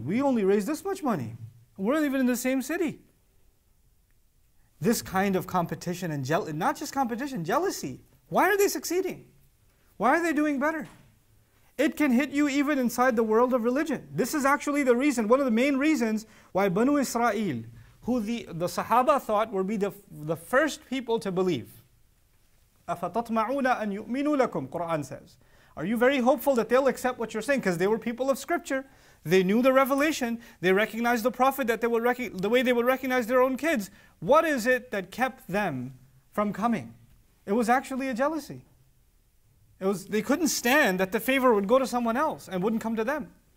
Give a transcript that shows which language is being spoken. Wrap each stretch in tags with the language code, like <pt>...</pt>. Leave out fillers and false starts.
<en>We only raise this much money. We're not even in the same city. This kind of competition and not just competition, jealousy. Why are they succeeding? Why are they doing better? It can hit you even inside the world of religion. This is actually the reason, one of the main reasons why Banu Israel, who the Sahaba thought would be the first people to believe.</en> <ar>أَفَتَطْمَعُونَ أَن يُؤْمِنُوا لَكُمْ,</ar> <en>Quran says. Are you very hopeful that they'll accept what you're saying? Because they were people of scripture. They knew the revelation. They recognized the Prophet the way they would recognize their own kids. What is it that kept them from coming? It was actually a jealousy. They couldn't stand that the favor would go to someone else and wouldn't come to them.</en>